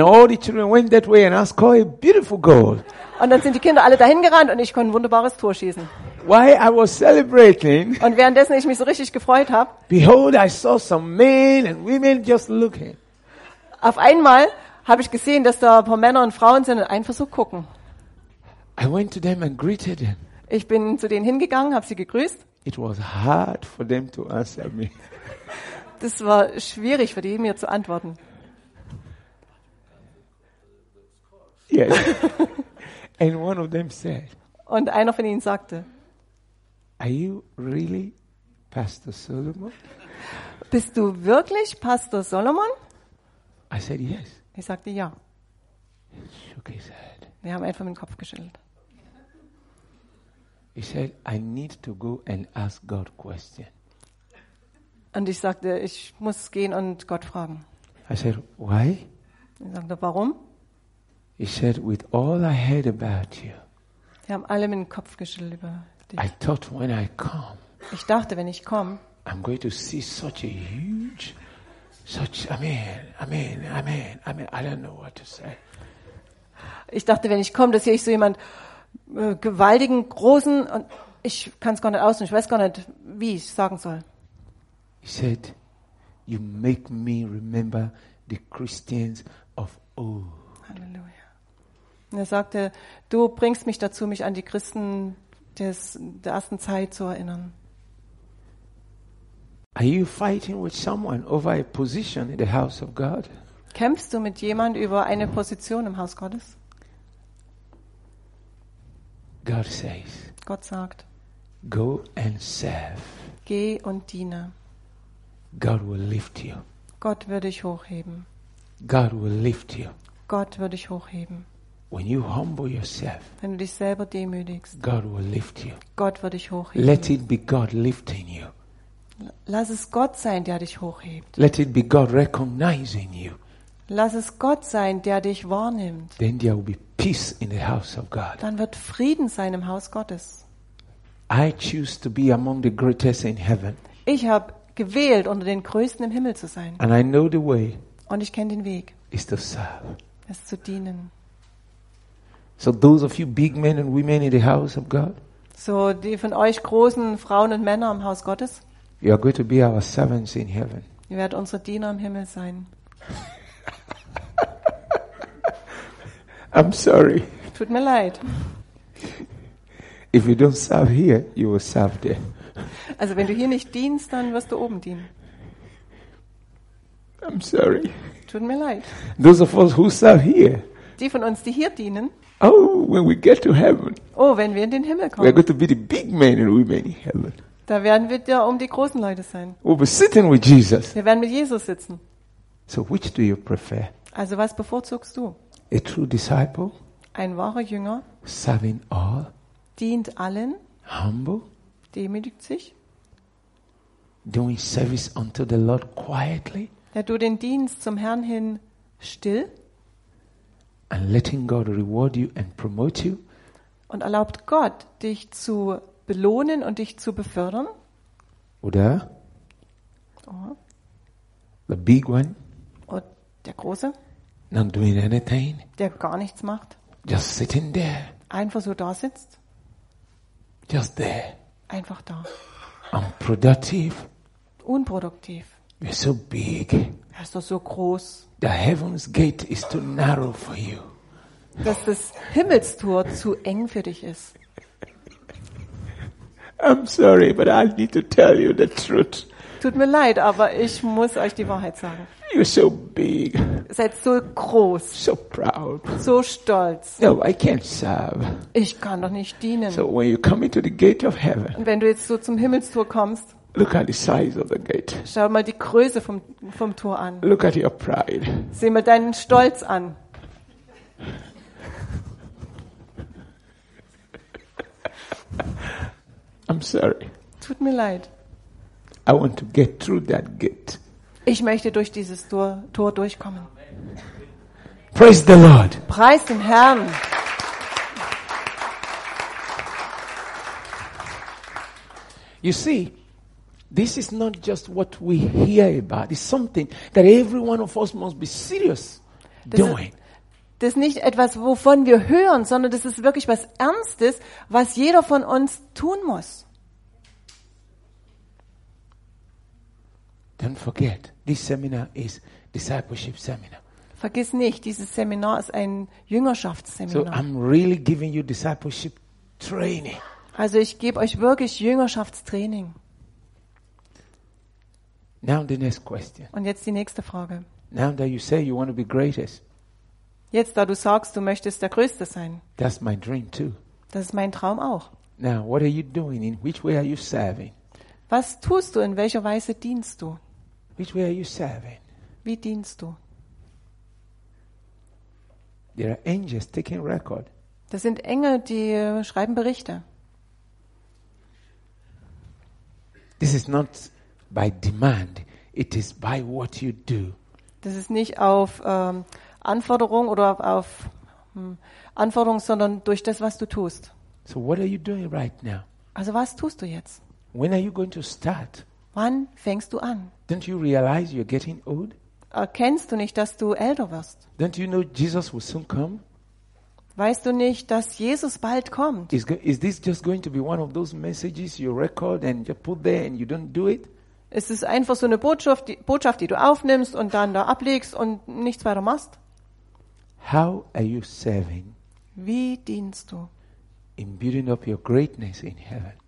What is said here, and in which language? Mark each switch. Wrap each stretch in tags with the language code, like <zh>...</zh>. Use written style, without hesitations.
<en>And all the children went that way and I scored a beautiful goal.</en> <de>Und dann sind die Kinder alle dahin gerannt und ich konnte ein wunderbares Tor schießen.</de> <en>While I was celebrating.</en> <de>Und währenddessen ich mich so richtig gefreut habe.</de> <en>Behold, I saw some men and women just looking.</en> <de>Auf einmal habe ich gesehen, dass da ein paar Männer und Frauen sind und einfach so gucken.</de> <en>I went to them and greeted them.</en> <de>Ich bin zu denen hingegangen, habe sie gegrüßt.</de> <en>It was hard for them to answer me.</en> <de>Das war schwierig für die, mir zu antworten.</de> <en>Yes. And one of them said,</en> <de>und einer von ihnen sagte,</de> <en>are you really Pastor Solomon?</en> <de>Bist du wirklich Pastor Solomon?</de> <en>I said yes.</en> <de>Ich sagte ja.</de> <en>He shook his head.</en> <de>Wir haben einfach den Kopf geschüttelt.</de> <en>He said, I need to go and ask God question.</en> <de>Und ich sagte, ich muss gehen und Gott fragen.</de> <en>I said, why?</en> <de>Ich sagte, warum?</de> <en>He said, with all I heard about you.</en> <de>Wir haben alle mit dem Kopf geschüttelt über dich.</de> <en>I thought when I come.</en> <de>Ich dachte, wenn ich komme.</de> <en>I'm going to see such a huge, such, I mean, I don't know what to say.</en> <de>Ich dachte, wenn ich komme, dass hier ich so jemand gewaltigen, großen, und ich kann es gar nicht aus, ich weiß gar nicht, wie ich es sagen soll.</de> <en>He said, you make me remember the Christians of old.</en> <de>Halleluja. Und er sagte, du bringst mich dazu, mich an die Christen der ersten Zeit zu erinnern.</de> <en>Are you fighting with someone over a position in the house of God?</en> <de>Kämpfst du mit jemand über eine Position im Haus Gottes?</de> <en>God says.</en> <de>Gott sagt.</de> <en>Go and serve.</en> <de>Geh und diene.</de> <en>God will lift you.</en> <de>Gott wird dich hochheben.</de> <en>God will lift you.</en> <de>Gott wird dich hochheben.</de> <en>When you humble yourself.</en> <de>Wenn du dich selber demütigst.</de> <en>God will lift you.</en> <de>Gott wird dich hochheben.</de> <en>Let it be God lifting you.</en> <de>Lass es Gott sein, der dich hochhebt.</de> <en>Let it be God recognizing you.</en> <de>Lass es Gott sein, der dich wahrnimmt.</de> <en>Then there will be peace in the house of God.</en> <de>Dann wird Frieden sein im Haus Gottes.</de> <en>I choose to be among the greatest in heaven.</en> <de>Ich habe gewählt, unter den Größten im Himmel zu sein.</de> <en>And I know the way.</en> <de>Und ich kenne den Weg.</de> <en>Is to serve.</en> <de>Es zu dienen.</de> <en>So those of you big men and women in the house of God.</en> <de>So die von euch großen Frauen und Männer im Haus Gottes.</de> <en>You are going to be our servants in heaven.</en> <de>Ihr werdet unsere Diener im Himmel sein.</de> <en>I'm sorry.</en> <de>Tut mir leid.</de> <en>If you don't serve here, you will serve there.</en> <de>Also wenn du hier nicht dienst, dann wirst du oben dienen.</de> <en>I'm sorry.</en> <de>Tut mir leid.</de> <en>Those of us who serve here.</en> <de>Die von uns, die hier dienen.</de> <en>Oh, when we get to heaven.</en> <de>Oh, wenn wir in den Himmel kommen.</de> <en>We are going to be the big men and women in heaven.</en> <de>Da werden wir ja um die großen Leute sein.</de> <en>We'll be sitting with Jesus.</en> <de>Wir werden mit Jesus sitzen.</de> <en>So which do you prefer?</en> <de>Also was bevorzugst du?</de> <en>A true disciple?</en> <de>Ein wahrer Jünger?</de> <en>Serving all?</en> <de>Dient allen?</de> <en>Humble?</en> <de>Demütigt sich?</de> <en>Doing service unto the Lord quietly?</en> <de>Der du den Dienst zum Herrn hin still?</de> <en>And letting God reward you and promote you?</en> <de>Und erlaubt Gott, dich zu belohnen und dich zu befördern? Oder? Oh.</de> <en>The big one?</en> <de>Oh, der Große?</de> <en>Not doing anything?</en> <de>Der gar nichts macht?</de> <en>Just sitting there?</en> <de>Einfach so da sitzt?</de> <en>Just there?</en> <de>Einfach da?</de> <en>Unproductive?</en> <de>Unproduktiv?</de> <en>You're so big.</en> <de>Er ist doch so groß.</de> <en>The heaven's gate is too narrow for you.</en> <de>Dass das Himmelstor zu eng für dich ist.</de> <en>I'm sorry, but I need to tell you the truth.</en> <de>Tut mir leid, aber ich muss euch die Wahrheit sagen.</de> <en>You're so big.</en> <de>Seid so groß.</de> <en>So proud.</en> <de>So stolz.</de> <en>No, I can't serve.</en> <de>Ich kann doch nicht dienen.</de> <en>So when you come into the gate of heaven.</en> <de>Und wenn du jetzt so zum Himmelstor kommst.</de> <en>Look at the size of the gate.</en> <de>Schau mal die Größe vom Tor an.</de> <en>Look at your pride.</en> <de>Sieh mal deinen Stolz an.</de> <en>I'm sorry.</en> <de>Tut mir leid.</de> <en>I want to get through that gate.</en> <de>Ich möchte durch dieses Tor durchkommen.</de> <en>Praise the Lord.</en> <de>Preis den Herrn.</de> <en>You see, this is not just what we hear about. It's something that every one of us must be serious doing.</en> <de>Das ist nicht etwas, wovon wir hören, sondern das ist wirklich was Ernstes, was jeder von uns tun muss.</de> <en>Don't forget, this seminar is discipleship seminar.</en> <de>Vergiss nicht, dieses Seminar ist ein Jüngerschaftsseminar.</de> <en>So I'm really giving you discipleship training.</en> <de>Also ich gebe euch wirklich Jüngerschaftstraining.</de> <en>Now the next question.</en> <de>Und jetzt die nächste Frage.</de> <en>Now that you say you want to be greatest.</en> <de>Jetzt da du sagst, du möchtest der Größte sein.</de> <en>That's my dream too.</en> <de>Das ist mein Traum auch.</de> <en>Now what are you doing? In which way are you serving?</en> <de>Was tust du? In welcher Weise dienst du?</de> <en>Which way are you serving?</en> <de>Wie dienst du?</de> <en>There are angels taking record.</en> <de>Das sind Engel, die schreiben Berichte.</de> <en>This is not by demand. It is by what you do.</en> <de>Das ist nicht auf Anforderung oder auf Anforderung, sondern durch das, was du tust.</de> <en>So what are you doing right now?</en> <de>Also was tust du jetzt?</de> <en>When are you going to start?</en> <de>Wann fängst du an?</de> <en>Don't you realize you're getting old?</en> <de>Erkennst du nicht, dass du älter wirst?</de> <en>Don't you know Jesus will soon come?</en> <de>Weißt du nicht, dass Jesus bald kommt?</de> <en>Is this just going to be one of those messages you record and you put there and you don't do it?</en> <de>Ist es einfach so eine Botschaft, die du aufnimmst und dann da ablegst und nichts weiter machst?</de> <en>How are you serving?</en> <de>Wie dienst du?</de> <en>In building up your greatness in heaven.</en>